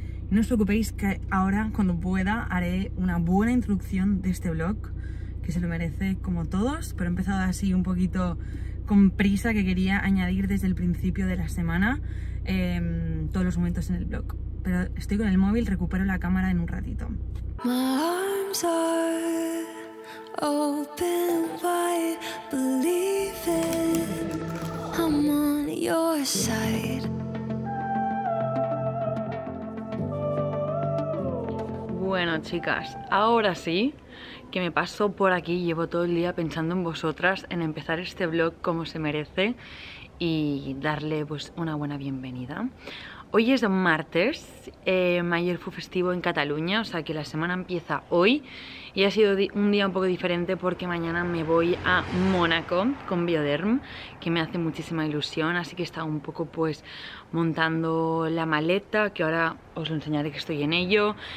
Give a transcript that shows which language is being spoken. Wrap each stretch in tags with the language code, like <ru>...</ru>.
<es>Y no os preocupéis que ahora, cuando pueda, haré una buena introducción de este vlog, que se lo merece como todos, pero he empezado así un poquito con prisa, que quería añadir desde el principio de la semana todos los momentos en el vlog. Pero estoy con el móvil, recupero la cámara en un ratito.</es> <en>My arms are open wide, believe it, I'm on your side.</en> <es>Bueno, chicas, ahora sí que me paso por aquí. Llevo todo el día pensando en vosotras, en empezar este vlog como se merece y darle pues una buena bienvenida. Hoy es martes, ayer fue festivo en Cataluña, o sea que la semana empieza hoy y ha sido un día un poco diferente porque mañana me voy a Mónaco con Bioderm, que me hace muchísima ilusión, así que he estado un poco pues montando la maleta, que ahora os lo enseñaré, que estoy en ello.</es>